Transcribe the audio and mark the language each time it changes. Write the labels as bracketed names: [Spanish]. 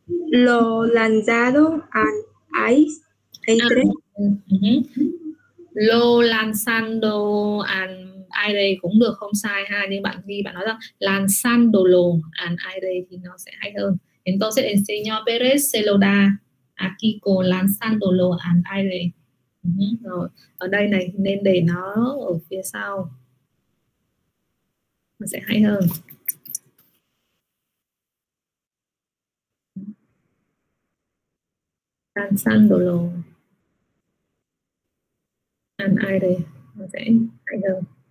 [Spanish] Lo lanzado al aire. [Vietnamese] Lo lanzando al aire cũng được, không sai ha, nhưng bạn ghi bạn nói rằng [Spanish] lanzando lo al aire [Vietnamese] thì nó sẽ hay hơn. [Spanish] Entonces el señor Pérez se lo da a Kiko lanzando lo al aire. [Vietnamese] Rồi, ở đây này nên để nó ở phía sau. Nó sẽ hay hơn. [Spanish] Lanzándolo al aire, [Vietnamese] nó sẽ hay hơn.